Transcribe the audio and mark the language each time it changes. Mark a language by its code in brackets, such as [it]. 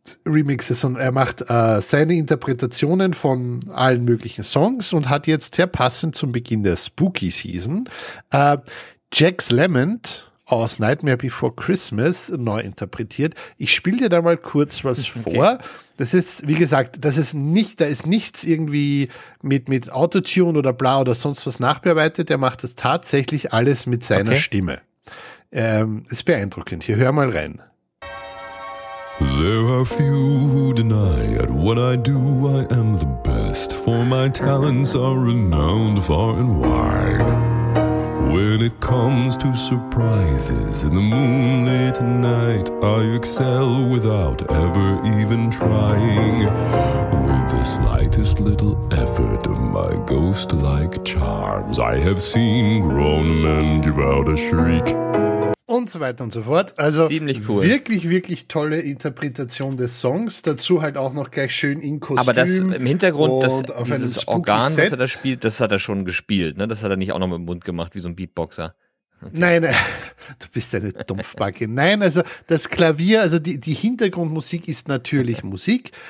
[de] Remixes und er macht seine Interpretationen von allen möglichen Songs und hat jetzt sehr passend zum Beginn der Spooky Season Jax Lament aus Nightmare Before Christmas neu interpretiert. Ich spiele dir da mal kurz was vor. Das ist, wie gesagt, das ist nicht, da ist nichts irgendwie mit Autotune oder bla oder sonst was nachbearbeitet. Er macht das tatsächlich alles mit seiner Stimme. Ist beeindruckend. Hier, hör mal rein. [en] There are few who deny at what I do I am the best, for my talents are renowned far and wide. When it comes to surprises in the moonlit night, I excel without ever even trying. With the slightest little effort of my ghost-like charms, I have seen grown men give out a shriek. [de] Und so weiter und so fort. Also ziemlich cool. Wirklich, wirklich tolle Interpretation des Songs. Dazu halt auch noch gleich schön in Kostüm. Aber das im Hintergrund, das, dieses Organ, was er da spielt, das hat er schon gespielt. Ne? Das hat er nicht auch noch mit dem Mund gemacht, wie so ein Beatboxer. Okay. Nein, du bist eine Dumpfbacke. Nein, also das Klavier, also die Hintergrundmusik ist natürlich Musik.